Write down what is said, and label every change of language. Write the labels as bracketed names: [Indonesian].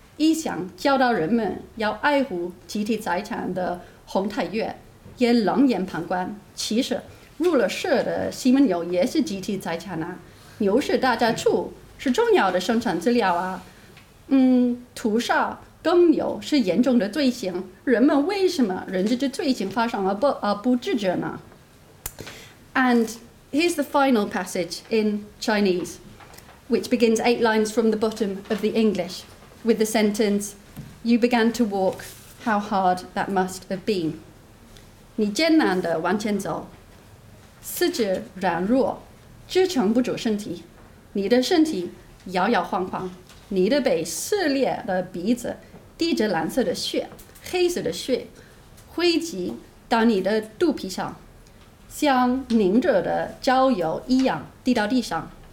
[Chinese] 一想教导人们要爱护集体财产的洪太岳也冷眼旁观，其实入了社的西门牛也是集体财产啊，牛是大家畜，是重要的生产资料啊。嗯，屠杀耕牛是严重的罪行，人们为什么忍着这罪行发生而不制止呢？ [English] And here's the final passage in Chinese, which begins 8 lines from the bottom of the English, with the sentence, "You began to walk, how hard that must have been." [Chinese] 你艰难地往前走，四肢软弱，支撑不住身体，你的身体摇摇晃晃，你的被撕裂的鼻子滴着蓝色的血，黑色的血汇集到你的肚皮上，像凝着的焦油一样滴到地上。